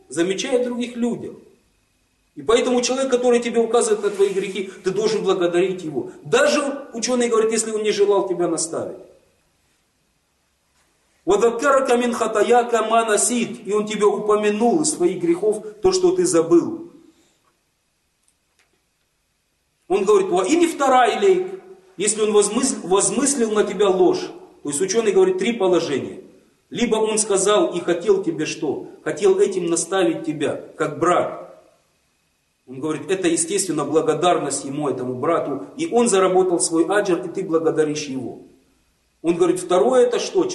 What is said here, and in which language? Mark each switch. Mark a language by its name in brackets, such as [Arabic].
[Russian] Замечает в других людях. И поэтому человек, который тебе указывает на твои грехи, ты должен благодарить его. Даже ученый говорит, если он не желал тебя наставить. [Arabic] وَذَكَّرَكَ مِنْ خَتَيَاكَ مَا نَسِيتْ. [Russian] И он тебе упомянул из своих грехов то, что ты забыл. Он говорит, [Arabic] وَإِنْ فَتَرَى إِلَيْكَ. [Russian] Если он возмыслил на тебя ложь. То есть ученый говорит, три положения. Либо он сказал и хотел тебе что? Хотел этим наставить тебя, как брат. Он говорит, это естественно благодарность ему, этому брату. И он заработал свой аджр, и ты благодаришь его. Он говорит, второе — это что?